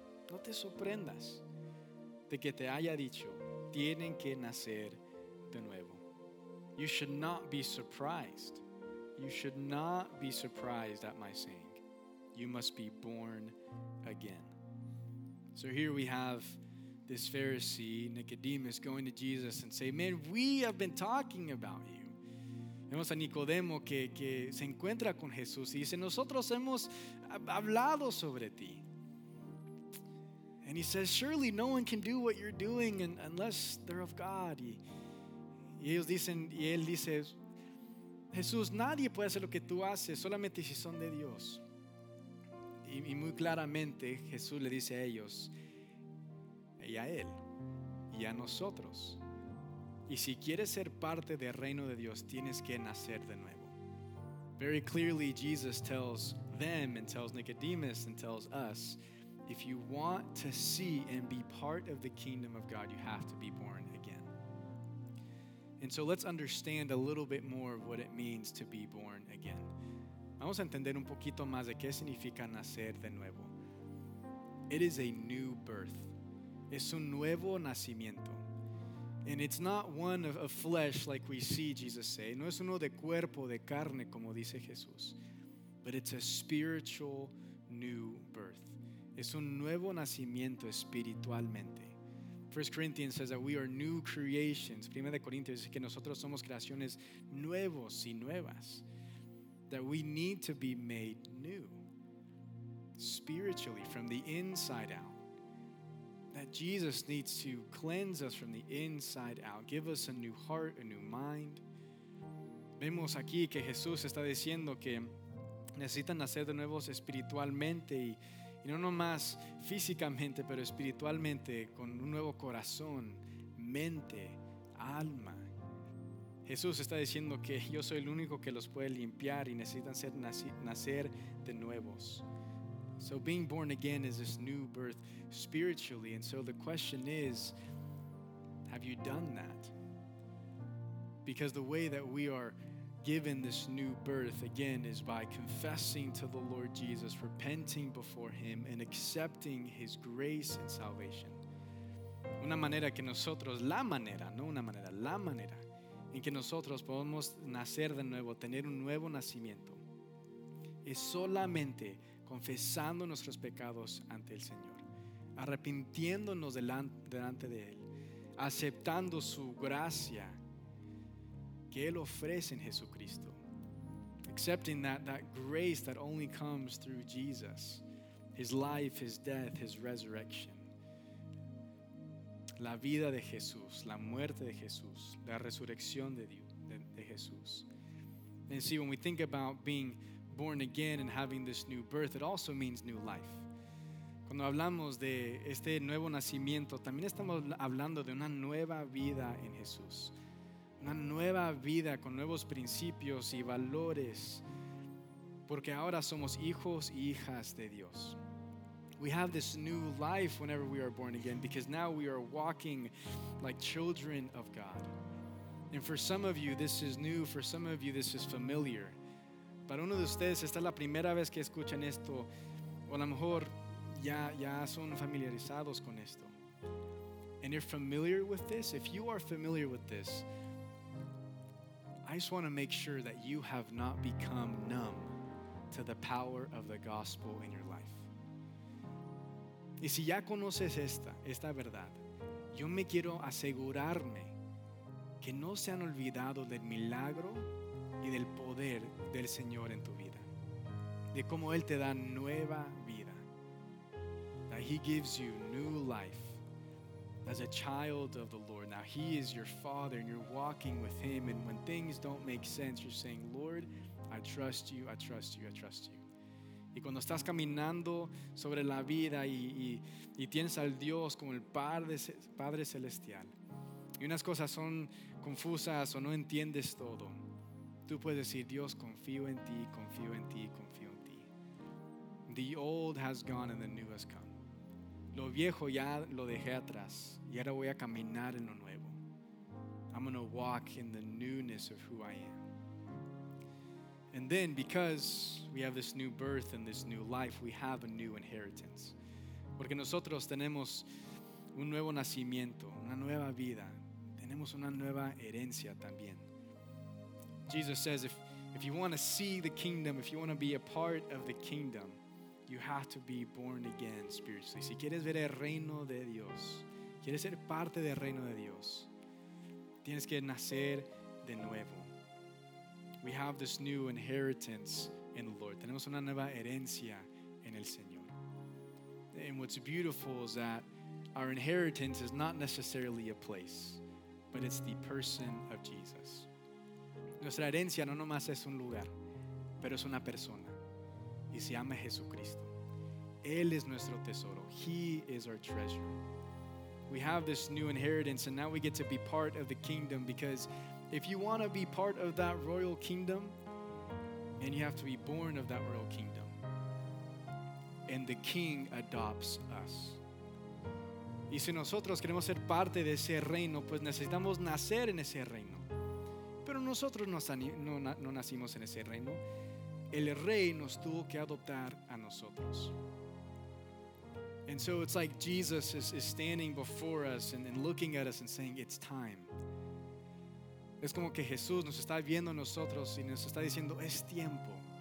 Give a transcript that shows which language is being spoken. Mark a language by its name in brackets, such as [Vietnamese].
[Spanish] No te sorprendas de que te haya dicho, tienen que nacer de nuevo. [English] You should not be surprised. You should not be surprised at my saying, you must be born again. So here we have this Pharisee, Nicodemus, going to Jesus and say, man, we have been talking about you. [Spanish] Vemos a Nicodemo que se encuentra con Jesús y dice, nosotros hemos hablado sobre ti. [English] And he says, surely no one can do what you're doing unless they're of God. [Spanish] Y ellos dicen, y él dice, Jesús, nadie puede hacer lo que tú haces, solamente si son de Dios. Y muy claramente Jesús le dice a ellos y a él y a nosotros, y si quieres ser parte del reino de Dios tienes que nacer de nuevo. [English] Very clearly Jesus tells them and tells Nicodemus and tells us, if you want to see and be part of the kingdom of God, you have to be born again. And so let's understand a little bit more of what it means to be born again. [Spanish] Vamos a entender un poquito más de qué significa nacer de nuevo. [English] It is a new birth. [Spanish] Es un nuevo nacimiento. [English] And it's not one of flesh like we see Jesus say. [Spanish] No es uno de cuerpo, de carne, como dice Jesús. [English] But it's a spiritual new birth. [Spanish] Es un nuevo nacimiento espiritualmente. [English] 1 Corinthians says that we are new creations. [Spanish] 1 Corinthians dice que nosotros somos creaciones nuevos y nuevas. [English] That we need to be made new spiritually from the inside out. That Jesus needs to cleanse us from the inside out, give us a new heart, a new mind. [Spanish] Vemos aquí que Jesús está diciendo que necesitan nacer de nuevo espiritualmente y no nomás físicamente, pero espiritualmente, con un nuevo corazón, mente, alma. Jesús está diciendo que yo soy el único que los puede limpiar y necesitan ser nacer de nuevos. [English] So being born again is this new birth spiritually. And so the question is, have you done that? Because the way that we are given this new birth again is by confessing to the Lord Jesus, repenting before him, and accepting his grace and salvation. [Spanish] Una manera que nosotros, la manera, no una manera, la manera, en que nosotros podemos nacer de nuevo, tener un nuevo nacimiento, es solamente confesando nuestros pecados ante el Señor, arrepintiéndonos delante de Él, aceptando su gracia que Él ofrece en Jesucristo. [English] Accepting that grace that only comes through Jesus, His life, His death, His resurrection. [Spanish] La vida de Jesús, la muerte de Jesús, la resurrección de Jesús. [English] And see, when we think about being born again and having this new birth, it also means new life. [Spanish] Cuando hablamos de este nuevo nacimiento, también estamos hablando de una nueva vida en Jesús. Una nueva vida con nuevos principios y valores, porque ahora somos hijos y hijas de Dios. [English] We have this new life whenever we are born again, because now we are walking like children of God. And for some of you, this is new. For some of you, this is familiar. [Spanish] Para uno de ustedes, esta es la primera vez que escuchan esto, o a lo mejor ya son familiarizados con esto. [English] And you're familiar with this? If you are familiar with this, I just want to make sure that you have not become numb to the power of the gospel in your life. [Spanish] Y si ya conoces esta verdad, yo me quiero asegurarme que no se han olvidado del milagro y del poder del Señor en tu vida, de cómo Él te da nueva vida. [English] That He gives you new life as a child of the Lord. Now He is your Father and you're walking with Him, and when things don't make sense, you're saying, Lord, I trust you, I trust you, I trust you. [Spanish] Y cuando estás caminando sobre la vida y tienes al Dios como el Padre Celestial, y unas cosas son confusas o no entiendes todo, tú puedes decir, Dios, confío en ti, confío en ti, confío en ti. [English] The old has gone and the new has come. [Spanish] Lo viejo ya lo dejé atrás y ahora voy a caminar en lo nuevo. [English] I'm going to walk in the newness of who I am. And then, because we have this new birth and this new life, we have a new inheritance. [Spanish] Porque nosotros tenemos un nuevo nacimiento, una nueva vida. Tenemos una nueva herencia también. [English] Jesus says, if you want to see the kingdom, if you want to be a part of the kingdom, you have to be born again spiritually. [Spanish] Si quieres ver el reino de Dios, quieres ser parte del reino de Dios, tienes que nacer de nuevo. [English] We have this new inheritance in the Lord. [Spanish] Tenemos una nueva herencia en el Señor. [English] And what's beautiful is that our inheritance is not necessarily a place, but it's the person of Jesus. [Spanish] Nuestra herencia no nomás es un lugar, pero es una persona. Y se llama Jesucristo. Él es nuestro tesoro. [English] He is our treasure. We have this new inheritance, and now we get to be part of the kingdom, because if you want to be part of that royal kingdom, then you have to be born of that royal kingdom. And the king adopts us. [Spanish] Y si nosotros queremos ser parte de ese reino, pues necesitamos nacer en ese reino. Pero nosotros no nacimos en ese reino. El rey nos tuvo que adoptar a nosotros. [English] And so it's like Jesus is standing before us and looking at us and saying, it's time. [Spanish] Es como que Jesús nos está viendo a nosotros y nos está diciendo, es tiempo.